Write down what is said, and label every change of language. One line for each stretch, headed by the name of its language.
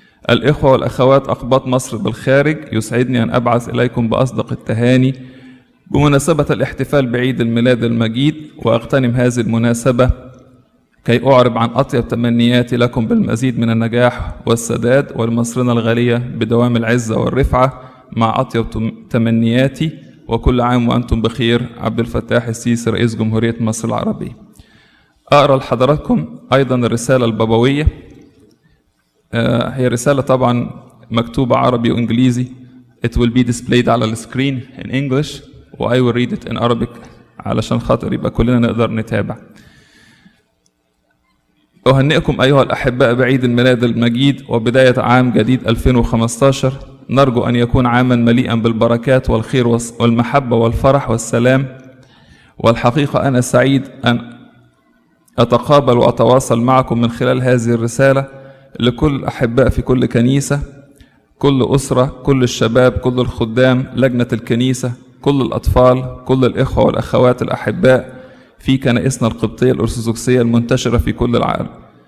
Arabic: الإخوة والأخوات أقباط مصر بالخارج، يسعدني أن أبعث إليكم بأصدق التهاني بمناسبة الاحتفال بعيد الميلاد المجيد، وأغتنم هذه المناسبة كي أعرب عن أطيب تمنياتي لكم بالمزيد من النجاح والسداد، ولمصرنا الغالية بدوام العزة والرفعة مع أطيب تمنياتي. وكل عام وأنتم بخير. عبد الفتاح السيسي رئيس جمهورية مصر العربية. أقرأ لحضراتكم أيضا الرسالة البابوية، هي رسالة طبعا مكتوبة عربي وإنجليزي.
English: It will be displayed
Arabic: على السكرين
English: in English
Arabic: وأي
English: will read it in Arabic
Arabic: علشان خاطر يبقى كلنا نقدر نتابع. أهنئكم أيها الأحباء بعيد الميلاد المجيد وبداية عام جديد 2015. نرجو أن يكون عاما مليئا بالبركات والخير والمحبة والفرح والسلام. والحقيقة أنا سعيد أن أتقابل وأتواصل معكم من خلال هذه الرسالة لكل أحباء في كل كنيسة، كل أسرة، كل الشباب، كل الخدام، لجنة الكنيسة، كل الأطفال، كل الإخوة والأخوات الأحباء في كنائسنا القبطية الأرثوذكسية المنتشرة في كل العالم.